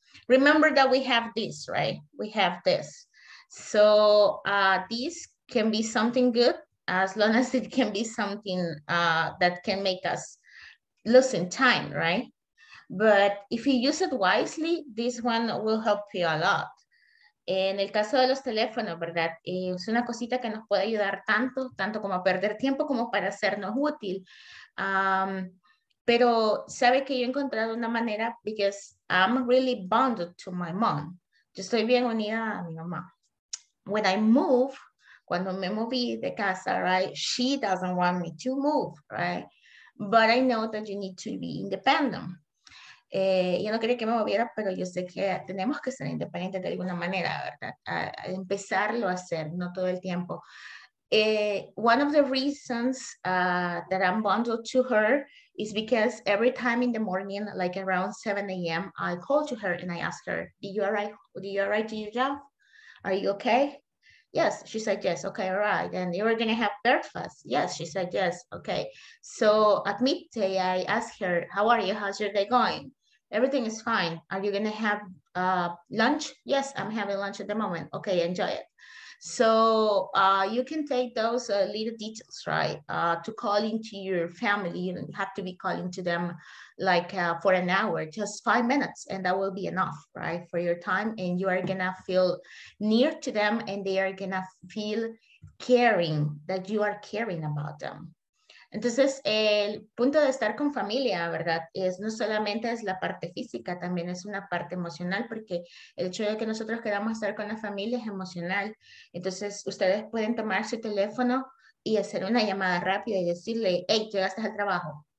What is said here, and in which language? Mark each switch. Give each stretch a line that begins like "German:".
English: Remember that we have this, right? We have this. So this can be something good as long as it can be something that can make us lose in time, right? But if you use it wisely, this one will help you a lot.
Spanish: En el caso de los teléfonos, ¿verdad? Es una cosita que nos puede ayudar tanto como a perder tiempo como para hacernos útil. Pero sabe que yo he encontrado una manera
English: because I'm really bonded to my mom.
Spanish: Yo estoy bien unida a mi mamá.
English: When I move,
Spanish: cuando me moví de casa, right?
English: She doesn't want me to move, right? But I know that you need to be independent.
Spanish: Yo no quería que me moviera, pero yo sé que tenemos que ser independientes de alguna manera, ¿verdad? A empezarlo a hacer, no todo el tiempo.
English: One of the reasons that I'm bonded to her is because every time in the morning, like around 7 a.m., I call to her and I ask her, Do you arrive to your job? Are you okay? Yes, she said, yes, okay, all right. And you were going to have breakfast. Yes, she said, yes, okay. So at midday, I asked her, how are you? How's your day going? Everything is fine. Are you going to have lunch? Yes, I'm having lunch at the moment. Okay, enjoy it. So you can take those little details, right, to call into your family. You don't have to be calling to them like for an hour, just 5 minutes, and that will be enough, right, for your time. And you are going to feel near to them, and they are going to feel caring, that you are caring about them.
Spanish: Entonces, el punto de estar con familia, ¿verdad? Es no solamente es la parte física, también es una parte emocional, porque el hecho de que nosotros queramos estar con la familia es emocional. Entonces, ustedes pueden tomar su teléfono y hacer una llamada rápida y decirle, hey, ¿llegaste al trabajo?